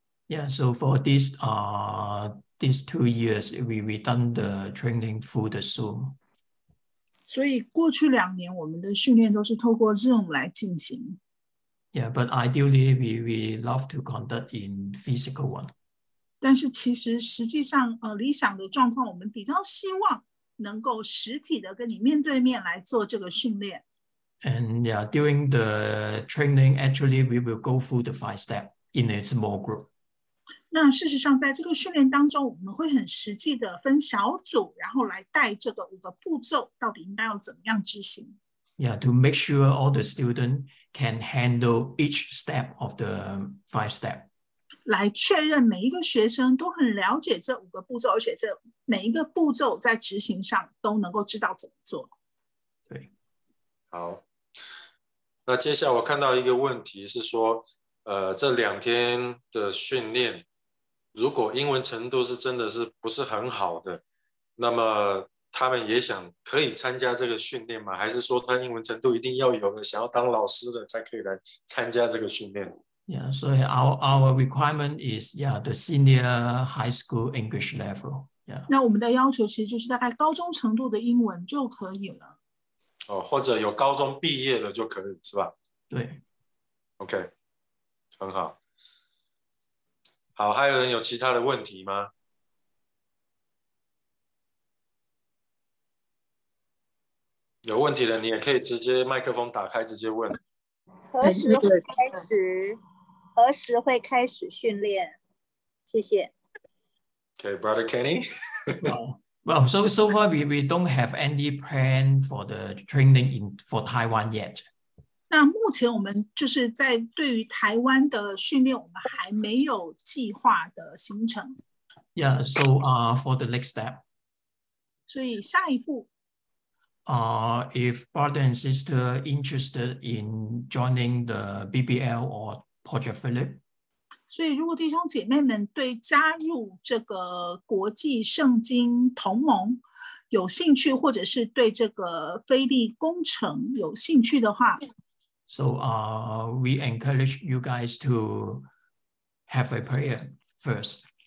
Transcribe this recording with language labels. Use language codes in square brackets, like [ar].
[en] Yeah, so for these 2 years, we done the training through the Zoom. [zh] 所以过去两年我们的训练都是透过 Zoom 来进行。 [en] Yeah, but ideally we love to conduct in physical one. [zh] 但是其实实际上理想的状况，我们比较希望能够实体的跟你面对面来做这个训练。 [en] And yeah, during the training, actually we will go through the 5 steps in a small group. [zh] 那事实上在这个训练当中我们会很实际的分小组，然后来带这个五个步骤到底应该要怎么样执行。 [en] Yeah, to make sure all the students can handle each step of the 5 step. [zh] 来确认每一个学生都很了解这五个步骤，而且这每一个步骤在执行上都能够知道怎么做。对。好。那接下来我看到一个问题是说这两天的训练如果英文程度是真的是不是很好的，那么他们也想可以参加这个训练吗？还是说他英文程度一定要有的，想要当老师的才可以来参加这个训练？ [en] Yeah, [zh] 所以 [en] our requirement is yeah, the senior high school English level. Yeah. [zh] 那我们的要求其实就是大概高中程度的英文就可以了。哦，或者有高中毕业的就可以，是吧？对。 OK， 很好。好，还有人有其他的问题吗？有问题的，你也可以直接麦克风打开，直接问。何时会开始训练？谢谢。 [en] Okay, Brother Kenny. well, so far we don't have any plan for the training in for Taiwan yet. [zh] 那目前我们就是在对于台湾的训练，我们还没有计划的行程。 [en] Yeah, so for the next step. [zh] 所以下一步。 [en] If brother and sister interested in joining the BBL or Project Philip, [zh] 所以如果弟兄姐妹们对加入这个国际圣经同盟有兴趣，或者是对这个菲利工程有兴趣的话 [en] ，So we encourage you guys to have a prayer first.